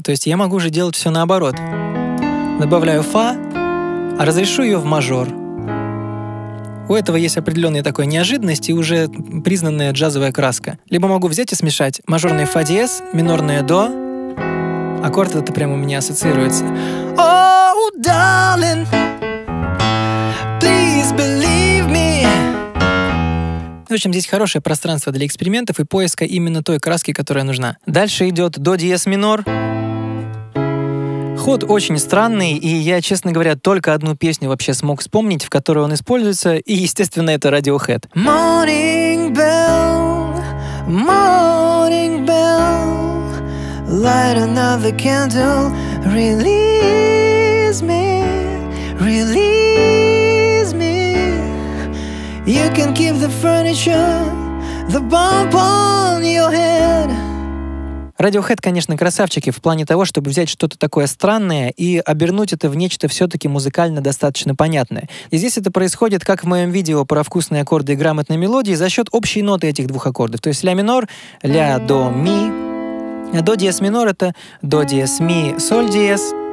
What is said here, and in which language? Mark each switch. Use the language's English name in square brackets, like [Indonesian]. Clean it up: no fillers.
[Russian] То есть я могу же делать все наоборот. Добавляю фа, а разрешу ее в мажор. У этого есть определенная такая неожиданность и уже признанная джазовая краска. Либо могу взять и смешать мажорный фа-диез, минорное до. Аккорд это прямо у меня ассоциируется. [English] Oh, darling, please believe me. [Russian] В общем, здесь хорошее пространство для экспериментов и поиска именно той краски, которая нужна. Дальше идет до диез минор. Ход очень странный, и я, честно говоря, только одну песню вообще смог вспомнить, в которой он используется, и, естественно, это Radiohead. [English] Morning bell, morning bell, light another candle, release me, release me. You can keep the furniture, the bump on your head. [Russian] Radiohead, конечно, красавчики в плане того, чтобы взять что-то такое странное и обернуть это в нечто все-таки музыкально достаточно понятное. И здесь это происходит, как в моем видео про вкусные аккорды и грамотные мелодии, за счет общей ноты этих двух аккордов. То есть ля минор, ля, до, ми. А до диез минор — это до диез, ми, соль диез.